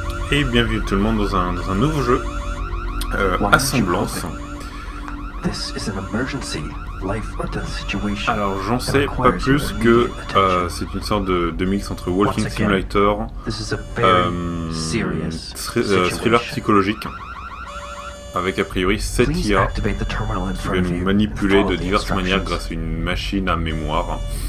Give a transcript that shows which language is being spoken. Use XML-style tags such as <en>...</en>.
<fr>Et bienvenue tout le monde dans un nouveau jeu, Assemblance.</fr> <en>This is an emergency, life or death situation.</en> <fr>Alors j'en sais pas plus que c'est une sorte de mix entre Walking Simulator, thriller psychologique, avec a priori 7 IA qui va nous manipuler de diverses manières grâce à une machine à mémoire.</fr>